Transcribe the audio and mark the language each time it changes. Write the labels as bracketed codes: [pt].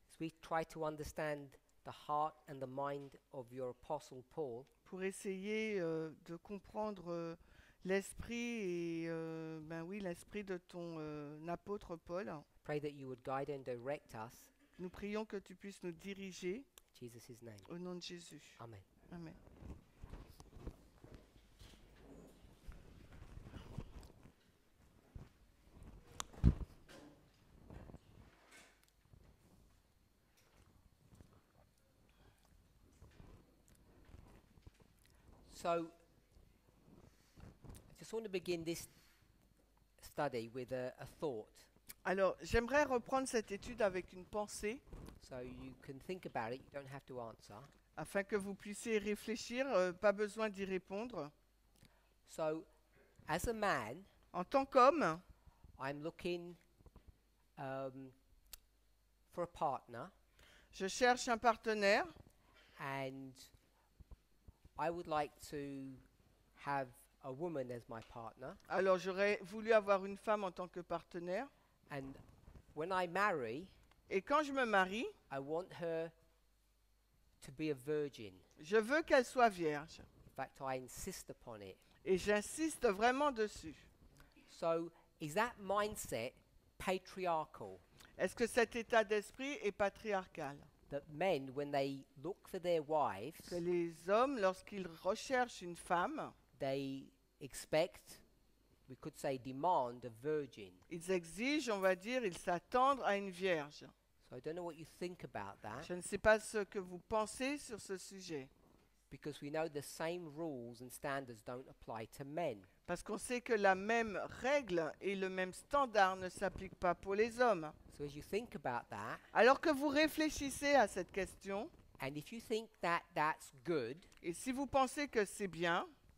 [en] As we try to understand the heart and the mind of your apostle Paul. [fr] Pour essayer de comprendre l'esprit et l'esprit de ton apôtre Paul. [en] Pray that you would guide and direct us. [fr] Nous prions que tu puisses nous diriger. [en] Jesus's name. [fr] Au nom de Jésus. [en] Amen. [fr] Amen. [en] So I just want to begin this study with a thought. [fr] Alors, j'aimerais reprendre cette étude avec une pensée. [en] So you can think about it, you don't have to answer. [fr] Afin que vous puissiez réfléchir, pas besoin d'y répondre. [en] So, as a man, [fr] en tant qu'homme, [en] I'm looking for a partner. [fr] Je cherche un partenaire. [en] And I would like to have a woman as my partner. [fr] Alors j'aurais voulu avoir une femme en tant que partenaire. [en] And when I marry, [fr] et quand je me marie, [en] I want her to be a virgin. [fr] Je veux qu'elle soit vierge. [en] In fact, I insist upon it. [fr] Et j'insiste vraiment dessus. [en] So, is that mindset patriarchal? [fr] Est-ce que cet état d'esprit est patriarcal? [en] That men, when they look for their wives, [fr] que les hommes, lorsqu'ils recherchent une femme, [en] they expect, we could say, demand a virgin. [fr] Ils exigent, on va dire, ils s'attendent à une vierge. [en] So I don't know what you think about that. [fr] Je ne sais pas ce que vous pensez sur ce sujet. [en] Because we know the same rules and standards don't apply to men. [fr] Parce qu'on sait que la même règle et le même standard ne s'appliquent pas pour les hommes. [en] So as you think about that, [fr] alors que vous réfléchissez à cette question, [en] and if you think that that's good, [fr] et si vous pensez que c'est bien,